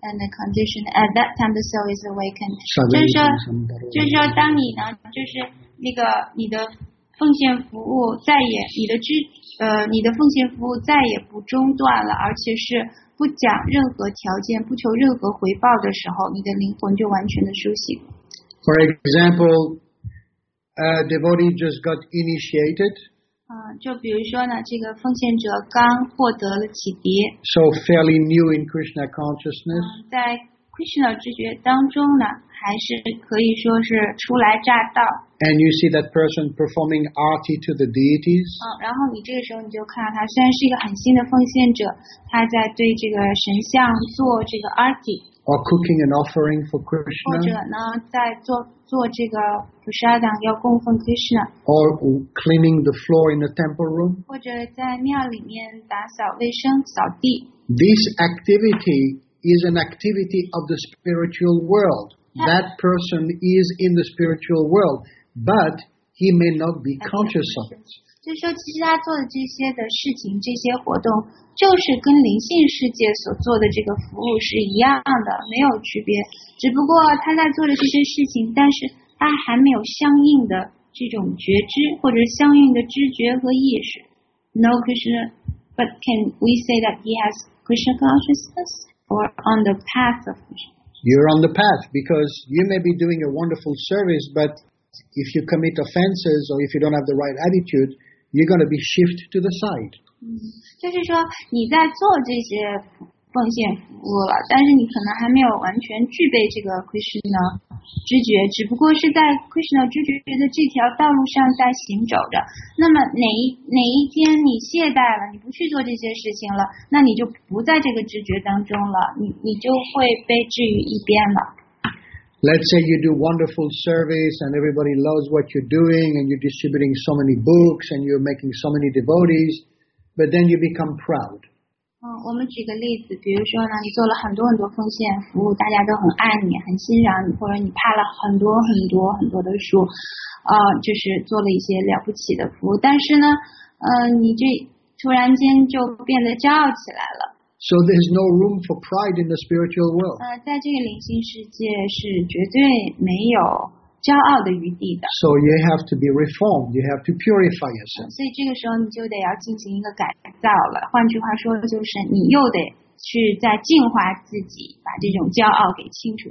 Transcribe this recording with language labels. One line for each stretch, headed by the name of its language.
English: And the condition at that time the soul is awakened.
Chinese: 就是说当你呢，就是那个你的奉献服务再也你的奉献服务再也不中断了，而且是不讲任何条件，不求任何回报的时候，你的灵魂就完全的苏醒。
English: For example, a devotee just got initiated.
Chinese: 就比如说呢，这个奉献者刚获得了启迪。
English: So fairly new in Krishna consciousness.
Chinese: 在 Krishna 知觉当中呢，还是可以说是初来乍到。
English: And you see that person performing arti to the deities.
Chinese: 然后你这个时候你就看到他虽然是一个很新的奉献者，他在对这个神像做这个 arti。
English: Or cooking an offering for Krishna.
Chinese: 或者呢，在做这个 prasadam 要供奉 Krishna。
English: Or cleaning the floor in the temple room.
Chinese: 或者在庙里面打扫卫生、扫地。
English: This activity is an activity of the spiritual world. That person is in the spiritual world. But he may not be conscious of it.
Chinese: 就是说，其实他做的这些的事情、这些活动，就是跟灵性世界所做的这个服务是一样的，没有区别。只不过他在做的这些事情，但是他还没有相应的这种觉知或者相应的知觉和意识。
English: No, Krishna, but can we say that he has Krishna consciousness or on the path of Krishna? You're on the path because you may be doing a wonderful service, but if you commit offenses or if you don't have the right attitude, you're going to be shifted to the side.
Chinese: 就是说你在做这些奉献服务了，但是你可能还没有完全具备这个 Krishna 知觉，只不过是在 Krishna 知觉的这条道路上在行走着。那么哪一天你懈怠了，你不去做这些事情了，那你就不在这个知觉当中了，你就会被置于一边了。
English: Let's say you do wonderful service and everybody loves what you're doing and you're distributing so many books and you're making so many devotees, but then you become proud.
Chinese: 我们举个例子，比如说呢，你做了很多很多奉献服务，大家都很爱你，很欣赏你，或者你派了很多很多很多的书，就是做了一些了不起的服务，但是呢，你这突然间就变得骄傲起来了。
English: So there's no room for pride in the spiritual world.
Chinese: 在这个灵性世界是绝对没有骄傲的余地的。
English: So you have to be reformed. You have to purify yourself.
Chinese: 所以这个时候你就得要进行一个改造了。换句话说，就是你又得去再净化自己，把这种骄傲给清除。